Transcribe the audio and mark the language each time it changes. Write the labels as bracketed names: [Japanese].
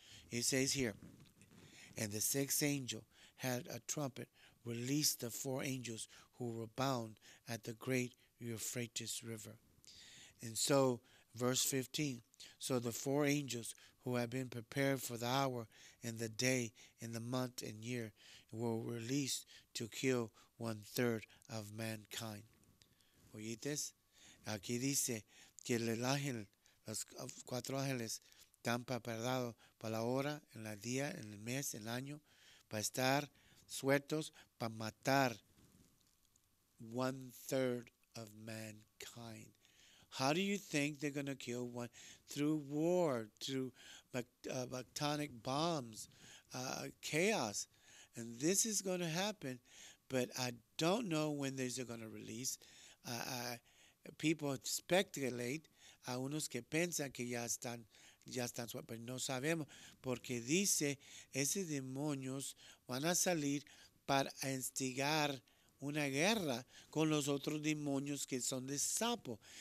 [English] He says here, and the sixth angel had a trumpet, released the four angels who were bound at the great Euphrates River. And so, verse 15, so the four angels who had been prepared for the hour and the day and the month and year were released to kill one third of mankind. [Spanish] ¿Oyes? Aquí dice que el ángel, los cuatro ángeles, están preparados para la hora, en la día, en el mes, en el año, para estar sueltos, para matar [English] one third of mankind. How do you think they're going to kill one? Through war, through bactonic bombs, chaos. And this is going to happen, but I don't know when these are going to release. People speculate, [Spanish] algunos que piensan que ya están, pero no sabemos, porque dice, esos demonios van a salir para instigar una guerra con los otros demonios que son de sapo.